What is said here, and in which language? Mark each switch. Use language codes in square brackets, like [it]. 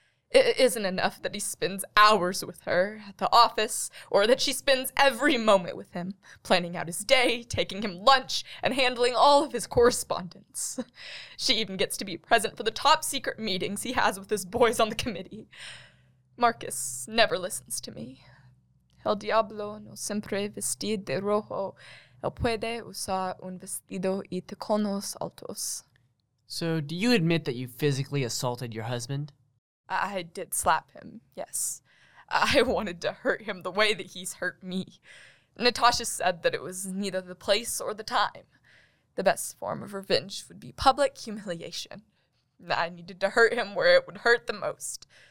[en] It isn't enough that he spends hours with her at the office, or that she spends every moment with him, planning out his day, taking him lunch, and handling all of his correspondence. She even gets to be present for the top-secret meetings he has with his boys on the committee. Marcus never listens to me. [es] El diablo no siempre vestido de rojo. Él puede usar un vestido y tacones altos. [en] So, do you admit that you physically assaulted your husband? I did slap him, yes. I wanted to hurt him the way that he's hurt me. Natasha said that it was neither the place or the time. The best form of revenge would be public humiliation. I needed to hurt him where it would hurt the most.